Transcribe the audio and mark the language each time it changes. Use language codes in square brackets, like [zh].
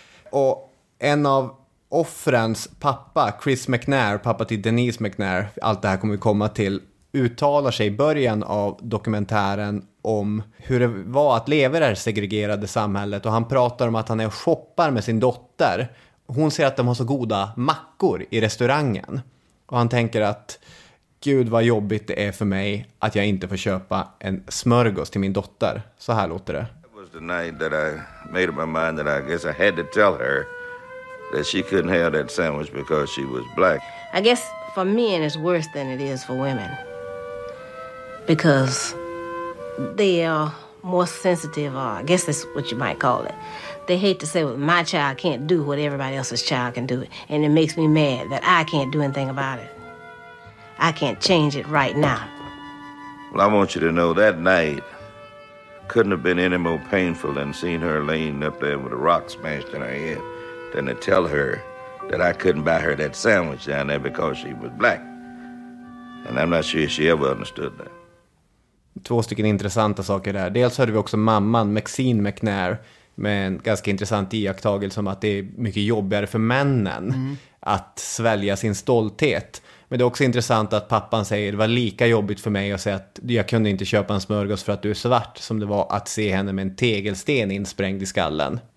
[sv] Och en av offrens pappa, Chris McNair, pappa till Denise McNair, allt det här kommer vi komma till, uttalar sig i början av dokumentären om hur det var att leva i det här segregerade samhället. Och han pratar om att han är och shoppar med sin dotter. Hon ser att de har så goda mackor i restaurangen. Och han tänker att, gud vad jobbigt det är för mig att jag inte får köpa en smörgås till min dotter. Så här låter det. [en] It was the night that I made up my mind that I guess I had to tell her that she couldn't have that sandwich because she was black. I guess for men it's worse than it is for women. Because they are more sensitive, or I guess that's what you might call it. They hate to say, well, my child can't do what everybody else's child can do. And it makes me mad that I can't do anything about it. I can't change it right now. Well, I want you to know that night couldn't have been any more painful than seeing her laying up there with a rock smashed in her head than to tell her that I couldn't buy her that sandwich down there because she was black. And I'm not sure she ever understood that. [sv] Två stycken intressanta saker där. Dels hörde vi också mamman, Maxine McNair, med en ganska intressant iakttagelse om att det är mycket jobbigare för männen att svälja sin stolthet. Men det är också intressant att pappan säger det var lika jobbigt för mig att säga att jag kunde inte köpa en smörgås för att du är svart som det var att se henne med en tegelsten insprängd i skallen.